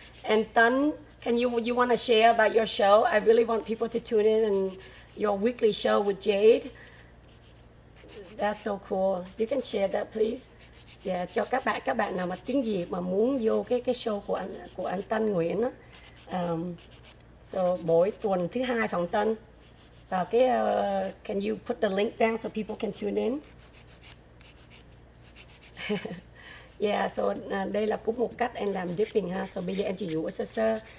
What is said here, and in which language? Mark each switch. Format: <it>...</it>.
<en>And Tân, can you want to share about your show? I really want people to tune in and your weekly show with Jade. That's so cool. You can share that, please.</en> <vi>Yeah, cho các bạn nào mà tiếng Việt mà muốn vô cái show của anh Tân Nguyễn á. So mỗi tuần thứ hai phòng Tân. Vào cái</vi> <en>can you put the link down so people can tune in?</en> <vi>Yeah, so đây là cũng một cách em làm dipping ha. So bây giờ em chỉ dũa sơ sơ.</vi>